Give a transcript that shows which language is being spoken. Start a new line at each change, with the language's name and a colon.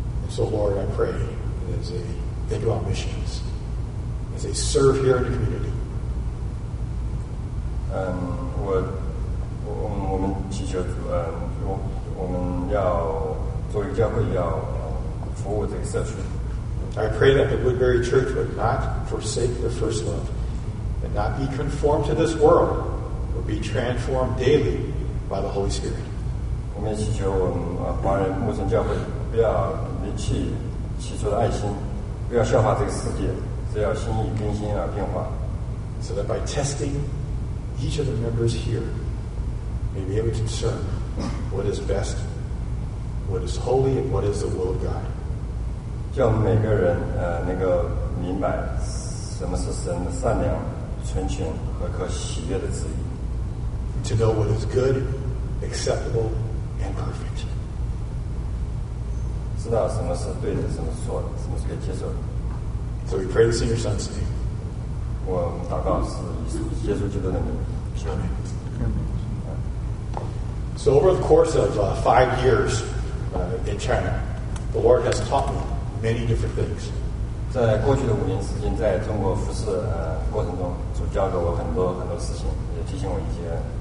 English: So Lord, I pray as they think about missions, as they serve here in the community.
Chinese: 我们祈求主，我们要作为教会要服务这个社区。
English: I pray that the Woodbury Church would not forsake their first love, and not be conformed to this world, but be transformed daily. By the Holy Spirit.
Chinese: 我们祈求我们华人牧神教会不要离弃起初的爱心，不要效法这个世界，只要心意更新而变化。
English: So that by testing each of the members here, may be able to discern what is best, what is holy, and what is the will of God.
Chinese: 叫我们每个人能够明白什么是神的善良、纯全和可喜悦的旨意。
English: To know what is good, acceptable, and perfect.
Chinese: 知道什么是对的，什么是错的，什么是可以接受的。
English: So we pray this in your Son's name.
Chinese: 我祷告是耶稣基督的名。
English: Amen. So over the course of 5 years in China, the Lord has taught me many different things.
Chinese: 在过去的五年时间，在中国服事过程中，主教给我很多很多事情，也提醒我一些。